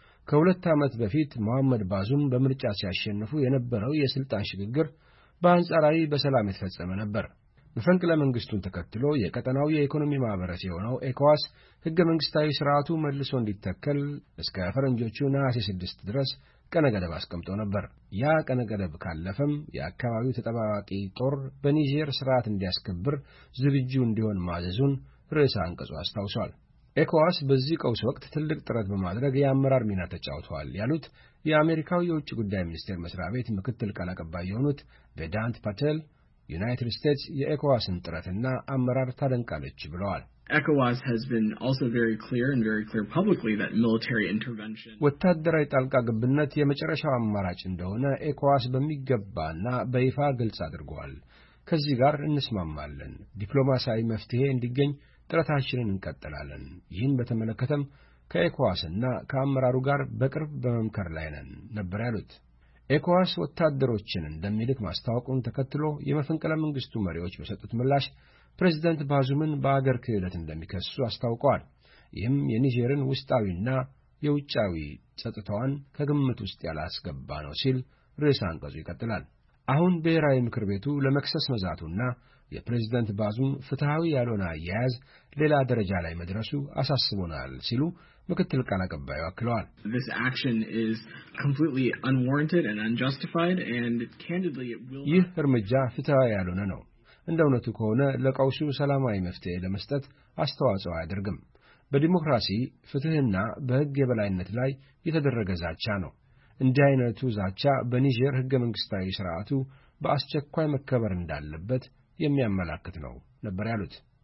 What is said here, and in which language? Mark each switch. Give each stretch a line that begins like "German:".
Amharic: ከሁለት ዓመት በፊት መሐመድ ባዙም በምርጫ ሲያሸንፉ የነበረው የስልጣን ሽግግር በአንጻራዊ በሰላም የተፈጸመ ነበር። በፈንቅለ መንግስቱን ተከትሎ የቀጠናው የኢኮኖሚ ማህበረሰብ የሆነው ኤኮዋስ ህገ መንግስታዊ ስርዓቱ መልሶ እንዲተከል እስከ ፈረንጆቹ ነሐሴ 6 ድረስ ቀነ ገደብ አስቀምጦ ነበር። ያ ቀነ ገደብ ካለፈም የአካባቢው ተጠባባቂ ጦር በኒጀር ስርዓት እንዲያስከብር ዝግጁ እንዲሆን ማዘዙን ርዕሰ አንቀጹ አስታውሷል። ኤኮዋስ በዚህ ቀውስ ወቅት ትልቅ ጥረት በማድረግ የአመራር ሚና ተጫውቷል ያሉት የአሜሪካው የውጭ ጉዳይ ሚኒስቴር መስሪያ ቤት ምክትል ቃል አቀባይ የሆኑት ቬዳንት ፓቴል ዩናይትድ ስቴትስ የኤኮዋስን ጥረትና አመራር ታደንቃለች ብለዋል።
English: ECOWAS has been also very clear and very clear publicly that military intervention
Amharic: ወታደራዊ ጣልቃ ገብነት የመጨረሻው አማራጭ እንደሆነ ECOWAS በሚገባና በይፋ ግልጽ አድርጓል። ከዚህ ጋር እንስማማለን። ዲፕሎማሲያዊ መፍትሄ እንዲገኝ ጥረታችንን እንቀጥላለን። ይህን በተመለከተም ከኤኮዋስና ከአመራሩ ጋር በቅርብ በመምከር ላይ ነን ነበር ያሉት። ECOWAS ወታደሮችን እንደሚልክ ማስተዋቁን ተከትሎ የመፈንቅለ መንግስቱ መሪዎች በሰጡት ምላሽ ፕሬዚደንት ባዙምን በአገር ክህደት እንደሚከሱ አስታውቀዋል። ይህም የኒጀርን ውስጣዊና የውጫዊ ጸጥታዋን ከግምት ውስጥ ያላስገባ ነው ሲል ርዕሰ አንቀጹ ይቀጥላል። አሁን ብሔራዊ ምክር ቤቱ ለመክሰስ መዛቱና የፕሬዚደንት ባዙም ፍትሐዊ ያልሆነ አያያዝ ሌላ ደረጃ ላይ መድረሱ አሳስቦናል ሲሉ ምክትል ቃል አቀባዩ አክለዋል።
English: This action is completely unwarranted and unjustified and candidly it will
Amharic: ይህ እርምጃ ፍትሐዊ ያልሆነ ነው። እንደ እውነቱ ከሆነ ለቀውሱ ሰላማዊ መፍትሄ ለመስጠት አስተዋጽኦ አያደርግም። በዲሞክራሲ ፍትህና በሕግ የበላይነት ላይ የተደረገ ዛቻ ነው። እንዲህ አይነቱ ዛቻ በኒጀር ሕገ መንግሥታዊ ሥርዓቱ በአስቸኳይ መከበር እንዳለበት የሚያመላክት ነው ነበር ያሉት።